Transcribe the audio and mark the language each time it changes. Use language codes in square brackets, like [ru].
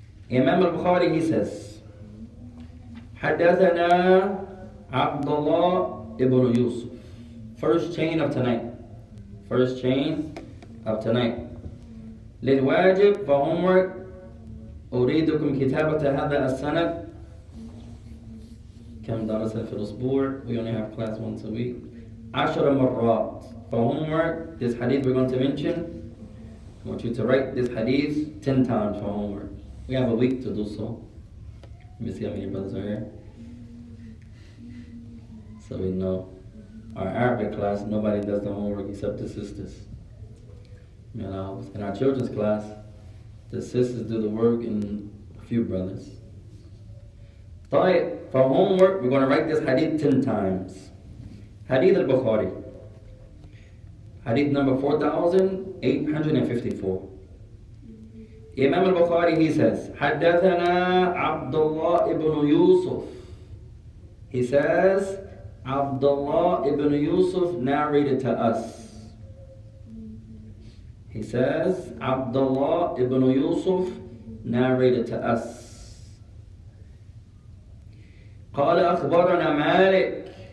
[en] Imam al-Bukhari, he says, [ar] حَدَّثَنَا عَبْدَ اللَّهِ [en] ibn Yusuf. First chain of tonight. first chain of tonight. [ar] للواجب [en] for homework [ar] أريدكم كتابة هذا السنة. كم درس في الأسبوع؟ [en] We only have class once a week. [ar] 10 مرات. [en] For homework, this hadith we're going to mention. I want you to write this hadith 10 times for homework. We have a week to do so. Let me see how many brothers are here. So we know. Our Arabic class, nobody does the homework except the sisters. You know, in our children's class, the sisters do the work and a few brothers. طيب, for homework, we're going to write this hadith 10 times. Hadith al-Bukhari. Hadith number 4854. Imam al-Bukhari, he says, [ar] حَدَّثَنَا عَبْدُ اللَّهِ ابْنُ يُوسُفِ. [en] He says, Abdullah ibn Yusuf narrated to us. He says, Abdullah ibn Yusuf narrated to us. [ar] قال أخبرنا مالك.